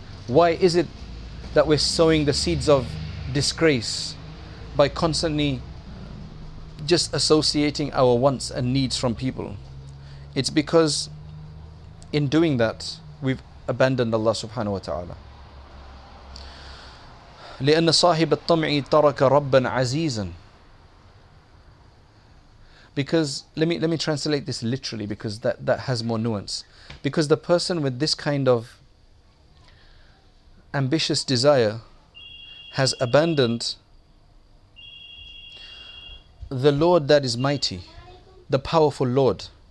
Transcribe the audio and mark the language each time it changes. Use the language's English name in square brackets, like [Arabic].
[English] Why is it that we're sowing the seeds of disgrace by constantly just associating our wants and needs from people? It's because in doing that, we've abandoned Allah subhanahu wa ta'ala. [Arabic] لِأَنَّ صَاحِبَ الطَّمْعِ تَرَكَ رَبًّا عَزِيزًا. [English] Because, let me translate this literally, because that has more nuance. Because the person with this kind of ambitious desire has abandoned the Lord that is mighty, the powerful Lord.